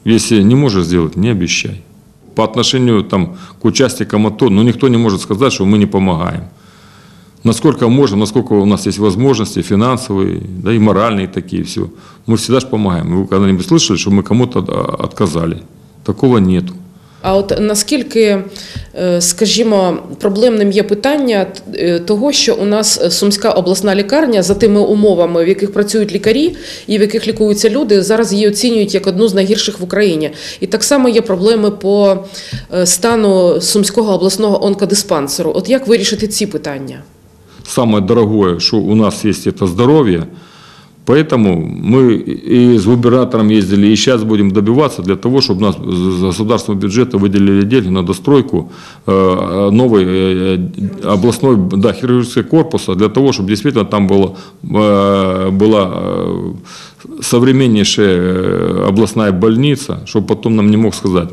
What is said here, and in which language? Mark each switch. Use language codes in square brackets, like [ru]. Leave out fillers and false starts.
[ru] Если не можешь сделать, не обещай. По отношению там, к участникам АТО, ну, никто не может сказать, что мы не помогаем. Насколько можем, насколько у нас есть возможности финансовые, да и моральные такие, все. Мы всегда же помогаем. Вы когда-нибудь слышали, что мы кому-то отказали? Такого нет. [uk] А от наскільки, скажімо, проблемним є питання того, що у нас Сумська обласна лікарня за тими умовами, в яких працюють лікарі і в яких лікуються люди, зараз її оцінюють як одну з найгірших в Україні. І так само є проблеми по стану Сумського обласного онкодиспансеру. От як вирішити ці питання? Саме дорогое, що у нас є, це здоров'я. [ru] Поэтому мы и с губернатором ездили, и сейчас будем добиваться для того, чтобы нас с государственного бюджета выделили деньги на достройку новой областной, да, хирургического корпуса, для того, чтобы действительно там была современнейшая областная больница, чтобы потом нам не мог сказать.